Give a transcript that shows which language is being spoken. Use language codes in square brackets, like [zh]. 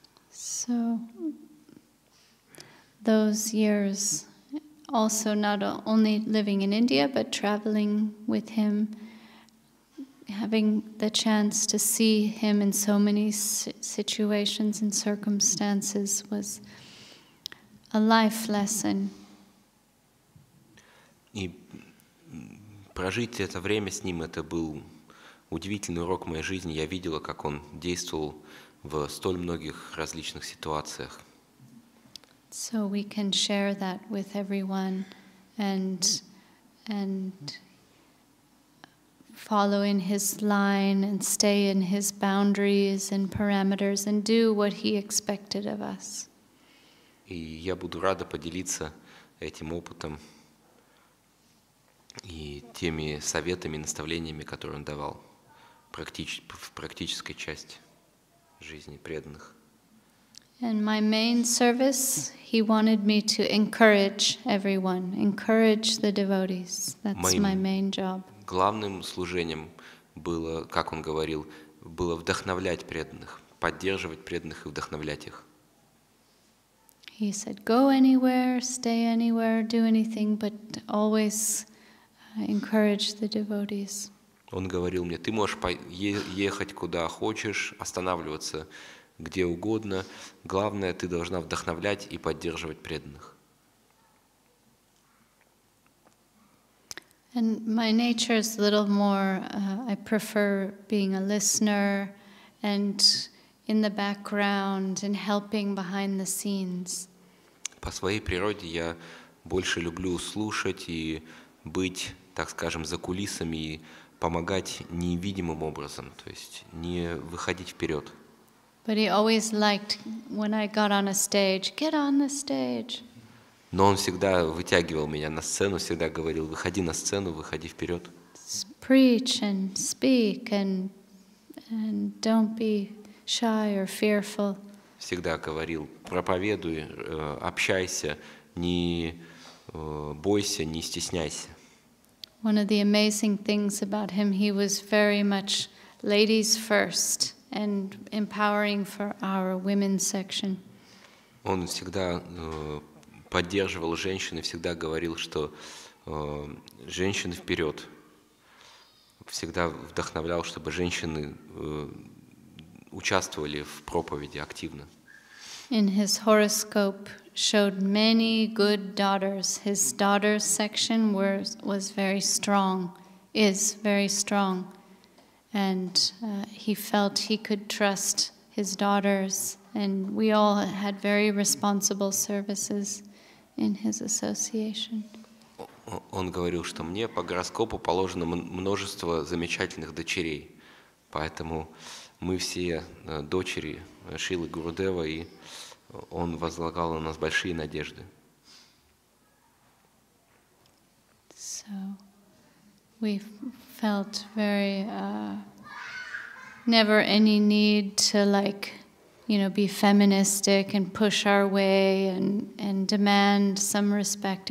[en] So those years, also not only living in India, but traveling with him, having the chance to see him in so many situations and circumstances was a life lesson. [ru] И прожить это время с ним, это был удивительный урок в моей жизни. Я видела, как он действовал в столь многих различных ситуациях. [en] So we can share that with everyone and follow in his line and stay in his boundaries and parameters and do what he expected of us. [ru] И я буду рада поделиться этим опытом и теми советами, наставлениями, которые он давал в практической части жизни преданных. [en] And my main service, he wanted me to encourage everyone, encourage the devotees. That's my main job. [ru] Главным служением было, как он говорил, было вдохновлять преданных, поддерживать преданных и вдохновлять их. [en] He said, go anywhere, stay anywhere, do anything, but always encourage the devotees. [ru] Он говорил мне, ты можешь ехать куда хочешь, останавливаться где угодно, главное, ты должна вдохновлять и поддерживать преданных. [en] And my nature is a little more, I prefer being a listener and in the background and helping behind the scenes. [ru] По своей природе я больше люблю слушать и быть, так скажем, за кулисами и помогать невидимым образом, то есть не выходить вперед. [en] But he always liked when I got on a stage, get on the stage. [ru] Но он всегда вытягивал меня на сцену, всегда говорил, выходи на сцену, выходи вперед. [en] Preach and speak and don't be shy or fearful. [ru] Всегда говорил, проповедуй, общайся, не бойся, не стесняйся. [en] One of the amazing things about him, he was very much ladies first and empowering for our women's section. [ru] Он всегда поддерживал женщин и всегда говорил, что женщины вперед. Всегда вдохновлял, чтобы женщины участвовали в проповеди активно. [en] In his horoscope showed many good daughters. His daughters section was very strong, is very strong. And he felt he could trust his daughters, and we all had very responsible services in his association. [ru] Он говорил, что мне по гороскопу положено множество замечательных дочерей, поэтому мы все дочери Шилы Гурудева, и он возлагал на нас большие надежды. [en] So we felt very never any need to, like, you know, be feministic and push our way and demand some respect.